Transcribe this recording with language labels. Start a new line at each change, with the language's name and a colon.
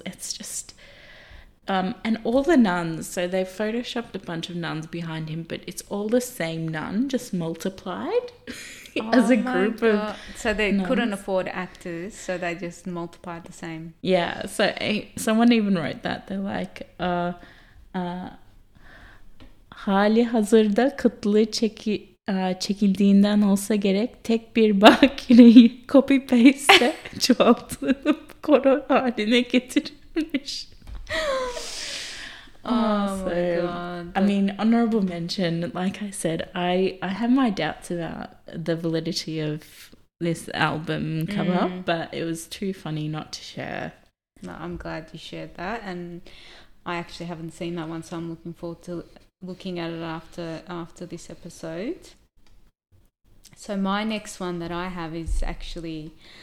English: It's just and all the nuns, so they've photoshopped a bunch of nuns behind him, but it's all the same nun, just multiplied as a group of so they nuns. Couldn't afford actors, so they just multiplied the same. Yeah, so someone even wrote that. They're like,
Turkish: hali hazırda kıtlığı çekildiğinden olsa gerek tek bir bakireyi copy paste'e çoğaltılıp koro haline getirilmiş.
English: Oh my god. I mean, honorable mention, like I said, I have my doubts about the validity of this album cover, but it was too funny not to share. No, I'm glad you shared that, and I actually haven't seen that one, so I'm looking forward to looking at it after this episode. So my next one that I have is actually